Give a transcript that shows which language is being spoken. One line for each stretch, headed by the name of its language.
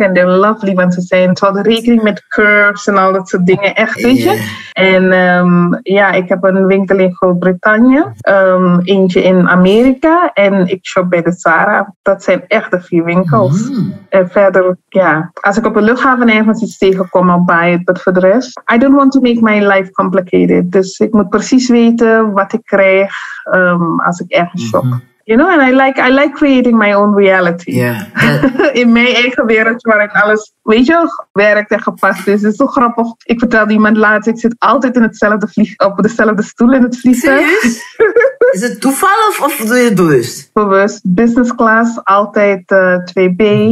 Dutch: En
English: they're lovely,
Dutch: want ze zijn, ze hadden rekening met curves en al dat soort dingen. Echt, weet je. En ja, ik heb een winkel in Groot-Brittannië. Eentje in Amerika. En ik shop bij de Zara. Dat zijn echt de 4 winkels. Mm. En verder, ja. Als ik op een luchthaven ergens iets tegenkom,
English: I'll buy it. But for the rest, I don't want to make my life complicated.
Dutch: Dus ik moet precies weten wat ik krijg. Als ik ergens shop.
English: Mm-hmm. You know, and I like creating my own reality. Yeah.
Dutch: In mijn eigen wereld waarin alles, weet je, werkt en gepast is. Het is zo grappig. Ik vertelde iemand laatst, ik zit altijd in hetzelfde op dezelfde stoel in het vliegtuig. Is het toeval of doe je het bewust? Bewust. Business class, altijd 2B.